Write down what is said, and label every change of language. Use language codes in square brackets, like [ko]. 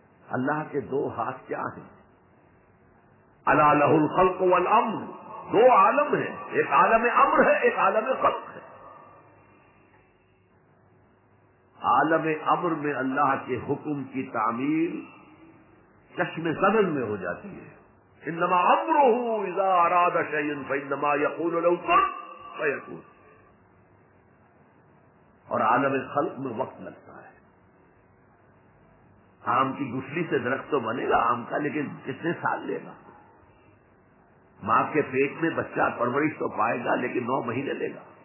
[ur] اللہ کے دو ہاتھ کیا ہیں؟ [ar] الا لہ الخلق والامر، [ur] دو عالم ہیں، ایک عالم امر ہے، ایک عالم خلق ہے. عالم امر میں اللہ کے حکم کی تعمیل چشم زدن میں ہو جاتی ہے. [ar] انما امره اذا اراد شيئا فانما يقول له كن فيكون. [ur] اور عالم خلق میں وقت لگتا ہے. آم کی گٹھلی سے درخت تو بنے گا آم کا، لیکن کتنے سال لے گا؟ ماں کے پیٹ میں بچہ پرورش تو پائے گا لیکن 9 مہینے لے گا.